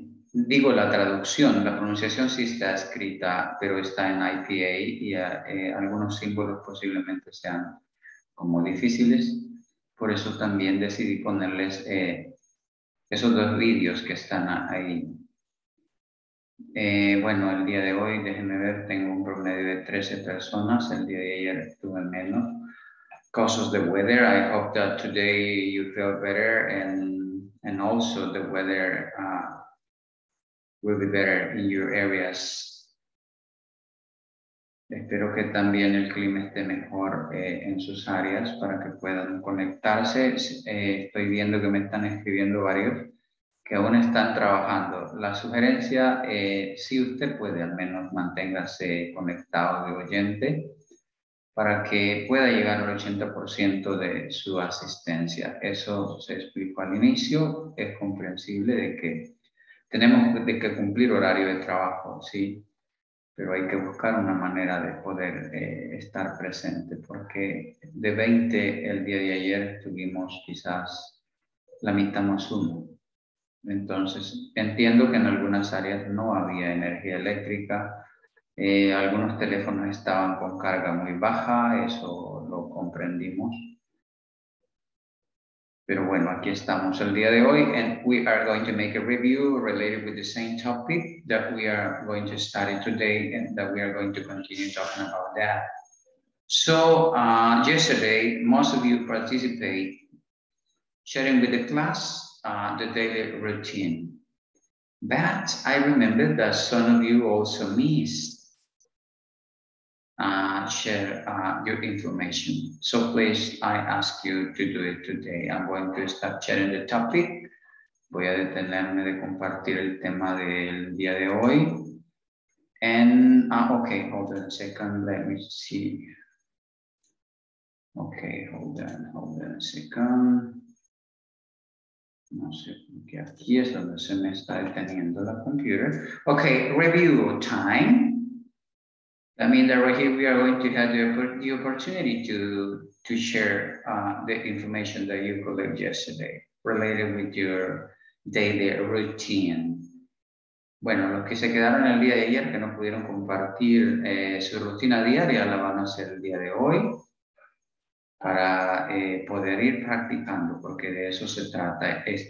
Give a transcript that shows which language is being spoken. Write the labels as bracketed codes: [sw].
[es] Digo la traducción, la pronunciación sí está escrita, pero está en IPA y algunos símbolos posiblemente sean como difíciles. Por eso también decidí ponerles esos dos vídeos que están ahí. Bueno, el día de hoy, déjenme ver, tengo un promedio de 13 personas. El día de ayer tuve menos. [en] Because of the weather, I hope that today you feel better and also the weather will be better in your areas. [es] Espero que también el clima esté mejor en sus áreas para que puedan conectarse. Estoy viendo que me están escribiendo varios que aún están trabajando. La sugerencia, si usted puede, al menos manténgase conectado de oyente para que pueda llegar al 80% de su asistencia. Eso se explicó al inicio. Es comprensible de que tenemos de que cumplir horario de trabajo, ¿sí? Pero hay que buscar una manera de poder estar presente, porque de 20 el día de ayer tuvimos quizás la mitad más uno. Entonces, entiendo que en algunas áreas no había energía eléctrica, algunos teléfonos estaban con carga muy baja, eso lo comprendimos. Pero bueno, aquí estamos el día de hoy, [en] and we are going to make a review related with the same topic that we are going to study today and that we are going to continue talking about that. So, yesterday, most of you participate sharing with the class the daily routine. But I remember that some of you also missed share your information. So please, I ask you to do it today. I'm going to start sharing the topic. [es] Voy a detenerme de compartir el tema del día de hoy. [en] And, okay, hold on a second, let me see. Okay, hold on a second. [es] No sé, porque aquí es donde se me está deteniendo la computer. [en] Okay, review time. I mean that right here we are going to have the opportunity to share the information that you collected yesterday related with your daily routine. [es] Bueno, los que se quedaron el día de ayer que no pudieron compartir su rutina diaria la van a hacer el día de hoy para poder ir practicando, porque de eso se trata.